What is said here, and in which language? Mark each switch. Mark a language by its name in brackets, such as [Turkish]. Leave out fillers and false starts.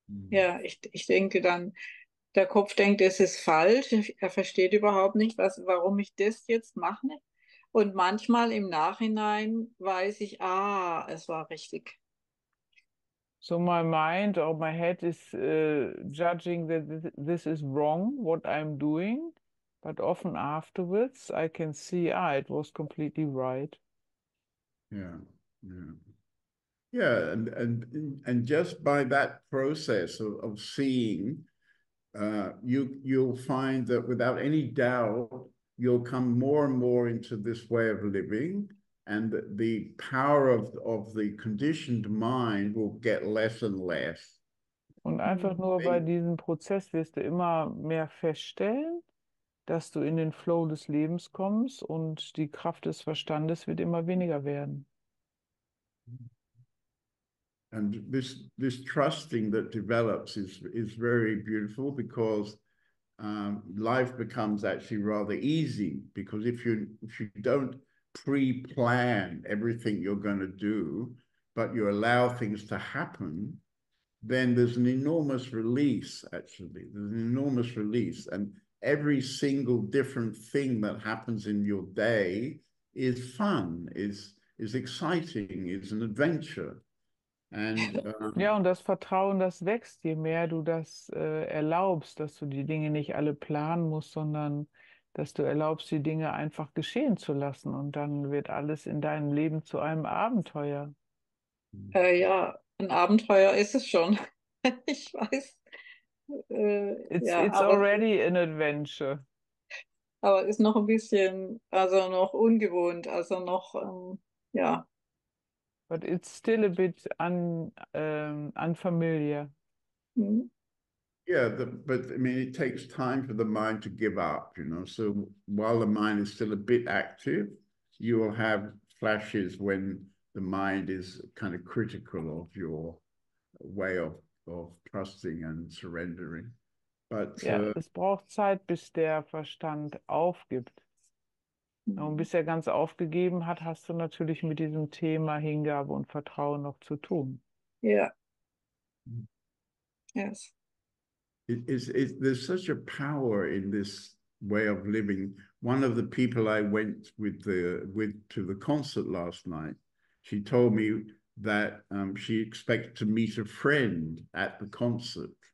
[German] Ja, ich denke dann, der Kopf denkt, es ist falsch. Er versteht überhaupt nicht, warum ich das jetzt mache. Und manchmal im Nachhinein weiß ich, es war richtig. [English] So my mind or my head is judging that this is wrong, what I'm doing, but often afterwards I can see, it was completely right. Yeah, and just by that process of seeing, you'll find that without any doubt, you'll come more and more into this way of living. And the power of the conditioned mind will get less and less. [German] Und einfach nur bei diesem Prozess wirst du immer mehr feststellen, dass du in den Flow des Lebens kommst und die Kraft des Verstandes wird immer weniger werden. [English] And this trusting that develops is very beautiful, because life becomes actually rather easy, because if you don't pre-plan everything you're going to do, but you allow things to happen, then there's an enormous release, actually. There's an enormous release. And every single different thing that happens in your day is fun, is exciting, is an adventure. And [German] Ja, und das Vertrauen, das wächst, je mehr du das erlaubst, dass du die Dinge nicht alle planen musst, sondern dass du erlaubst, die Dinge einfach geschehen zu lassen, und dann wird alles in deinem Leben zu einem Abenteuer. Ja, ein Abenteuer ist es schon. Ich weiß. [English] It's already an adventure. [German] Aber ist noch ein bisschen, also noch ungewohnt, also noch, ja. [English] But it's still a bit unfamiliar. Mhm. Yeah, but it takes time for the mind to give up, you know. So while the mind is still a bit active, you will have flashes when the mind is kind of critical of your way of trusting and surrendering. But [German] yeah, es braucht Zeit, bis der Verstand aufgibt. Und bis er ganz aufgegeben hat, hast du natürlich mit diesem Thema Hingabe und Vertrauen noch zu tun. [English] Yes. There's such a power in this way of living. One of the people I went with to the concert last night, she told me that she expected to meet a friend at the concert.